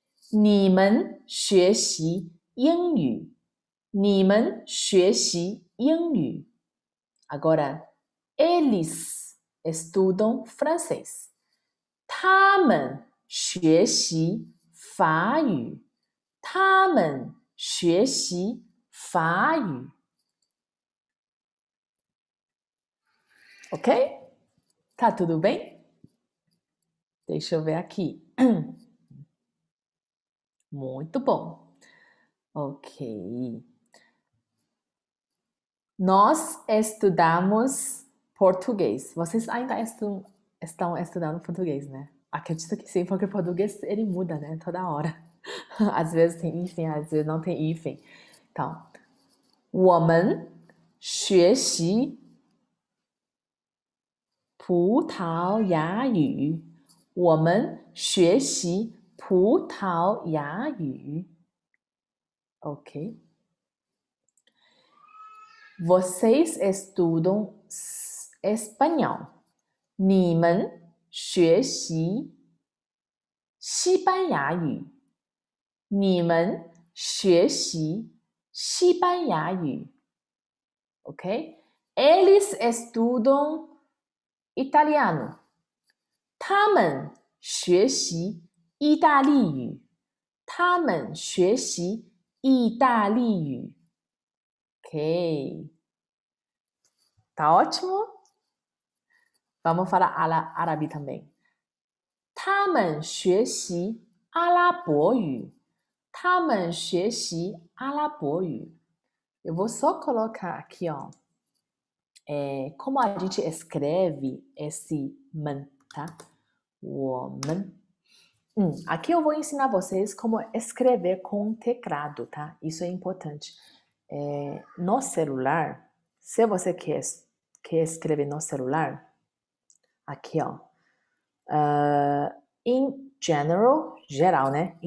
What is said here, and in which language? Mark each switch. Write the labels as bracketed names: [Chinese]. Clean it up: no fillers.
[Chinese] 你们学习英语。你们学习英语。 [Portuguese] Agora, eles estudam francês. [Chinese] 他们学习法语。他们学习法语。 [Portuguese] Ok? Tá tudo bem? Deixa eu ver aqui. Muito bom. Ok. Nós estudamos português. Vocês ainda estão estudando português, né? Acredito que sim, porque português ele muda, né? Toda hora. Às vezes tem hífen, às vezes não tem hífen. Então, [Chinese] 我们学习葡萄牙语。我们学习葡萄牙语，OK。 [Portuguese] Vocês estudam espanhol？ [Chinese] 你们学习西班牙语？你们学习西班牙语？OK。 [Portuguese] Eles estudam italiano？ [Chinese] 他们。学习意大利语，他们学习意大利语。 [Portuguese] OK，tá ótimo。 Vamos falar árabe também。 [Chinese] 他们学习阿拉伯语，他们学习阿拉伯语。 [Portuguese] Eu vou só colocar aqui, ó. É, como a gente escreve esse man, tá? Woman. Aqui eu vou ensinar vocês como escrever com teclado, tá? Isso é importante. É, no celular, se você quer escrever no celular, aqui ó, in general, geral, né?